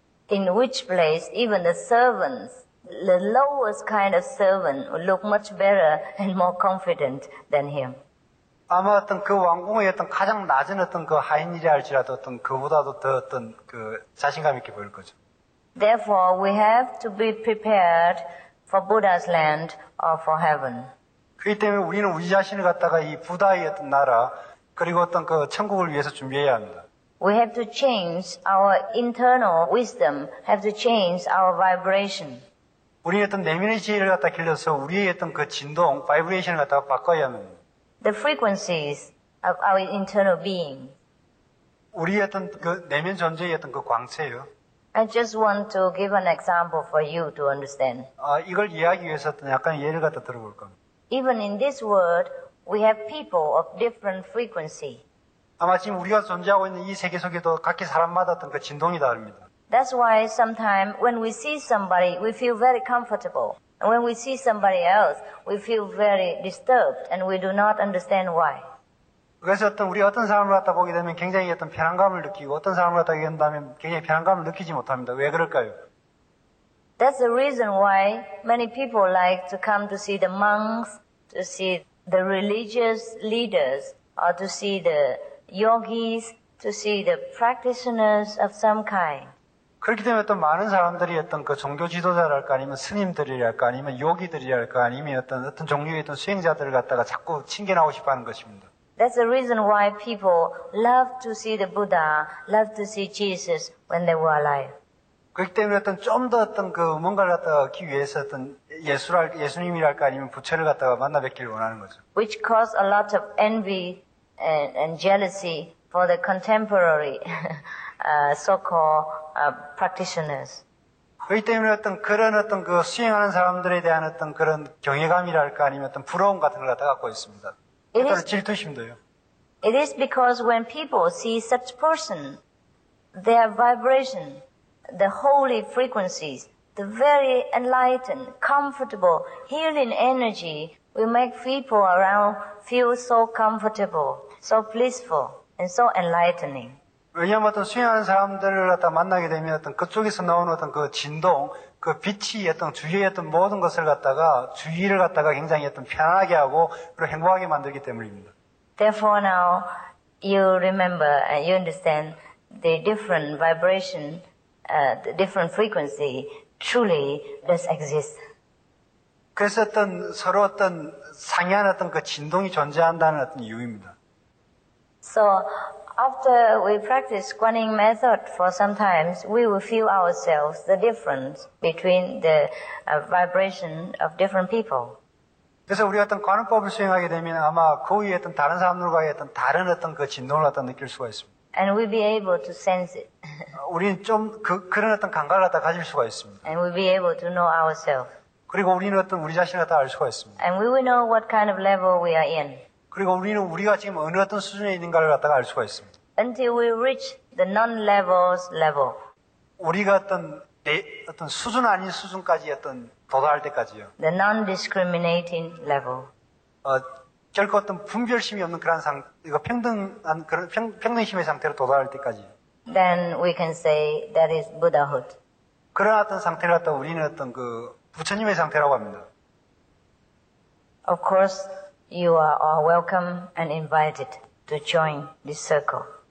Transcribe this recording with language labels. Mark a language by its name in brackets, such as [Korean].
[English] In which place even the servants, the lowest kind of servant, would look much better and more confident than him. [Korean] 아마 어떤 그 왕궁의 어떤 가장 낮은 어떤 그 하인이라 할지라도 어떤 그보다도 더 어떤 그 자신감 있게 보일 거죠. [English] Therefore, we have to be prepared for Buddha's land or for heaven. [Korean] 그렇기 때문에 우리는 우리 자신을 갖다가 이 부다의 어떤 나라 그리고 어떤 그 천국을 위해서 준비해야 합니다. [English] We have to change our internal wisdom, have to change our vibration. [Korean] 우리의 어떤 내면의 지혜를 갖다 길러서 우리의 어떤 그 진동, 바이브레이션을 갖다가 바꿔야 합니다. [English] The frequencies of our internal being. [Korean] 우리의 어떤 그 내면 존재의 어떤 그 광채요. [English] I just want to give an example for you to understand. [Korean] 이걸 이해하기 위해서 어떤 약간 예를 갖다 들어볼까? [English] Even in this world, we have people of different frequency. [Korean] 아마 지금 우리가 존재하고 있는 이 세계 속에도 각기 사람마다 어떤 그 진동이 다릅니다. [English] That's why sometimes when we see somebody, we feel very comfortable. And when we see somebody else, we feel very disturbed and we do not understand why. [Korean] 그래서 어떤 우리 어떤 사람을 갖다 보게 되면 굉장히 어떤 편안감을 느끼고 어떤 사람을 갖다 보게 된다면 굉장히 편안감을 느끼지 못합니다. 왜 그럴까요? [English] That's the reason why many people like to come to see the monks, to see the religious leaders, or to see the yogis, to see the practitioners of some kind. [Korean] 그렇기 때문에 또 많은 사람들이 어떤 그 종교 지도자랄까 아니면 스님들이랄까 아니면 요기들이랄까 아니면 어떤 종류의 어떤 수행자들을 갖다가 자꾸 챙겨나오고 싶어 하는 것입니다. [English] That's the reason why people love to see the Buddha, love to see Jesus when they were alive. [Korean] 그렇기 때문에 어떤 좀 더 어떤 그 뭔가를 갖다가 얻기 위해서 어떤 예수님이랄까 아니면 부처를 갖다가 만나 뵙기를 원하는 거죠. [English] Which caused a lot of envy and jealousy for the contemporary so-called practitioners. [Korean] 그렇기 때문에 어떤 그런 어떤 그 수행하는 사람들에 대한 어떤 그런 경외감이랄까 아니면 어떤 부러움 같은 걸 갖다 갖고 있습니다. 어떤 질투심도요. [English] It is because when people see such person, their vibration, the holy frequencies, the very enlightened, comfortable, healing energy will make people around feel so comfortable, so blissful, and so enlightening. [Korean] 왜냐하면 어떤 수행하는 사람들을 갖다 만나게 되면 어떤 그쪽에서 나오는 어떤 그 진동, 그 빛이 어떤 주위에 어떤 모든 것을 갖다가 주위를 갖다가 굉장히 어떤 편안하게 하고 그리고 행복하게 만들기 때문입니다. [English] Therefore now you remember and you understand the different vibration, the different frequency truly does exist. [Korean] 그래서 어떤 서로 어떤 상이한 어떤 그 진동이 존재한다는 어떤 이유입니다. [English] So, after we practice Guan Yin method for some time, we will feel ourselves the difference between the vibration of different people. [Korean] 그래서 우리 어떤 관음법을 수행하게 되면 아마 그 위에 어떤 다른 사람들과의 어떤 다른 어떤 그 진동을 갖다 느낄 수가 있습니다. [English] And we'll be able to sense it. [Korean] 우리는 좀 그런 어떤 감각을 갖다 가질 수가 있습니다. [English] And we'll be able to know ourselves. [Korean] 그리고 우리는 어떤 우리 자신을 갖다 알 수가 있습니다. [English] And we will know what kind of level we are in. [Korean] 그리고 우리는 우리가 지금 어느 어떤 수준에 있는가를 갖다가 알 수가 있습니다. [English] Until we reach the non-levels level. [Korean] 우리가 어떤 수준 아닌 수준까지 어떤 도달할 때까지요. [English] The non-discriminating level. [Korean] 결코 어떤 분별심이 없는 그런 평등한 그런 평등심의 상태로 도달할 때까지. [English] Then we can say that is Buddhahood. [Korean] 그런 어떤 상태를 갖다가 우리는 어떤 그 부처님의 상태라고 합니다. [English] Of course. You are all welcome and invited to join this circle.